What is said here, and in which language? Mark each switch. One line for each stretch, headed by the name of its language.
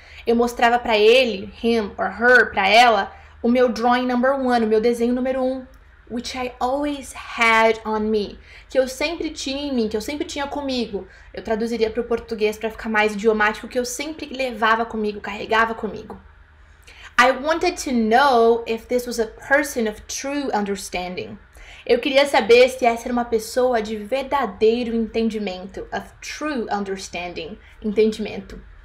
Portuguese: Eu mostrava pra ele,
English: him or her,
Portuguese: pra ela, o meu
English: drawing number one,
Portuguese: o meu desenho número um,
English: which I always had on me,
Portuguese: que eu sempre tinha em mim, que eu sempre tinha comigo. Eu traduziria para o português para ficar mais idiomático, que eu sempre levava comigo, carregava comigo.
English: I wanted to know if this was a person of true understanding.
Portuguese: Eu queria saber se essa era uma pessoa de verdadeiro entendimento,
English: of true understanding,
Portuguese: entendimento.